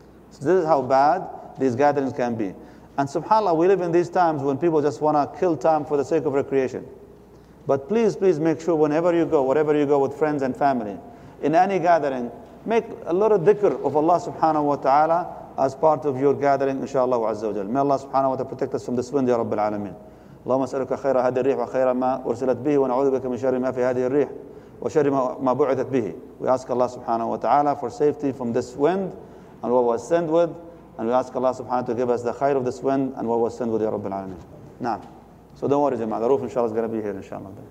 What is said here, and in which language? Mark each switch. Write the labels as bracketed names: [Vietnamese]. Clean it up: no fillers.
[English] So this is how bad these gatherings can be. And subhanAllah, we live in these times when people just want to kill time for the sake of recreation. But please, please make sure whenever you go, wherever you go with friends and family, in any gathering, make a little dhikr of Allah [Arabic] subhanahu wa ta'ala [English] as part of your gathering, [Arabic] inshaAllah azza wa jalla. [English] May Allah subhanahu wa ta'ala protect us from this wind, [Arabic] Ya Rabbil Alameen. اللهم اسألك خير هذه الريح وخير ما أرسلت به ونعوذ بك من شر ما في هذه الريح وشر ما بعثت به. [English] We ask Allah [Arabic] subhanahu wa ta'ala [English] for safety from this wind and what was sent with, and we ask Allah subhanahu to give us the khair of this wind and what was sent with, [Arabic] Ya Rabbil Alameen. [English] Naam. So don't worry, Jama'ah. The roof inshallah is going to be here inshallah.